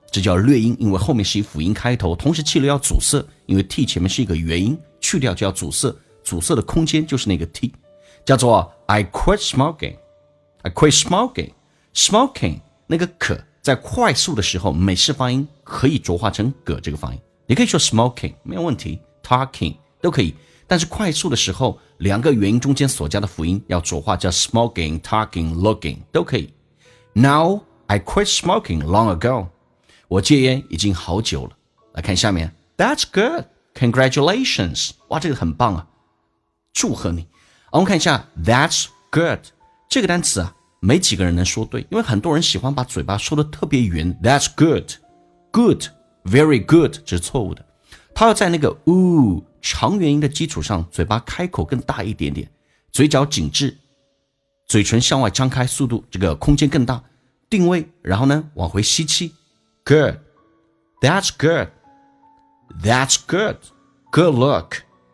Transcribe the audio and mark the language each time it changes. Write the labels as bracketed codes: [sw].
[zh] 这叫略音，因为后面是以辅音开头，同时气流要阻塞，因为 T 前面是一个元音，去掉就要阻塞，阻塞的空间就是那个 T, 叫做 [en] I quit smoking, I quit smoking, [zh] smoking, 那个可在快速的时候美式发音可以浊化成葛这个发音，你可以说 smoking, 没有问题， talking, 都可以，但是快速的时候两个元音中间所加的辅音要浊化，叫 smoking, talking, looking, 都可以。 [en] Now, I quit smoking long ago, [zh] 我戒烟已经好久了。来看下面 [en] That's good, congratulations, [zh] 哇这个很棒啊，祝贺你。我们看一下 That's good, 这个单词啊，没几个人能说对，因为很多人喜欢把嘴巴说得特别圆。 [en] That's good, good, very good, [zh] 这是错误的，它要在那个 ooh 长元音的基础上，嘴巴开口更大一点点，嘴角紧致，嘴唇向外张开，速度这个空间更大，定位，然后呢往回吸气， [en] Good, that's good, that's good, good look.